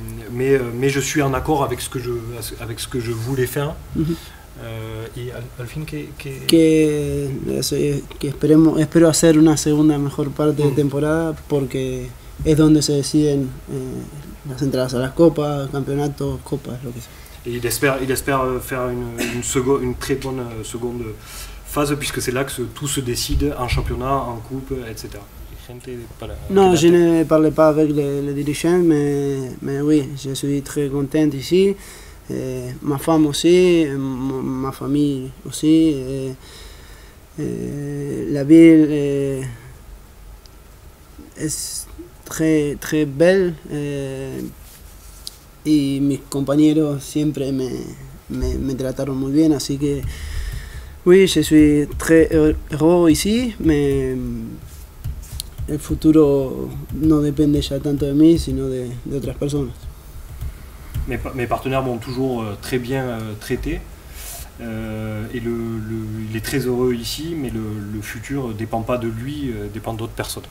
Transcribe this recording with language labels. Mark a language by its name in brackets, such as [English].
[French] Mais je suis en accord avec ce que je voulais faire. Et Alphine, [Spanish] que esperemos, espero hacer una segunda mejor parte de temporada porque es donde se deciden las entradas a las copas, campeonatos, copas, lo que sea. [French] Et il espère faire une très bonne seconde phase puisque c'est là que tout se décide en championnat, en coupe, etc. Non, je ne parlais pas avec les dirigeants, mais oui, je suis très content ici. Ma femme aussi, ma famille aussi. La ville est très, très belle. Et mes compagnons, [Spanish] siempre me trataron muy bien. Así que, [French] oui, je suis très heureux ici, mais. [Spanish] El futuro no depende ya tanto de mí, sino de otras personas. [French] Mes partenaires m'ont toujours très bien traité. Et il est très heureux ici, mais le futur ne dépend pas de lui, dépend d'autres personnes.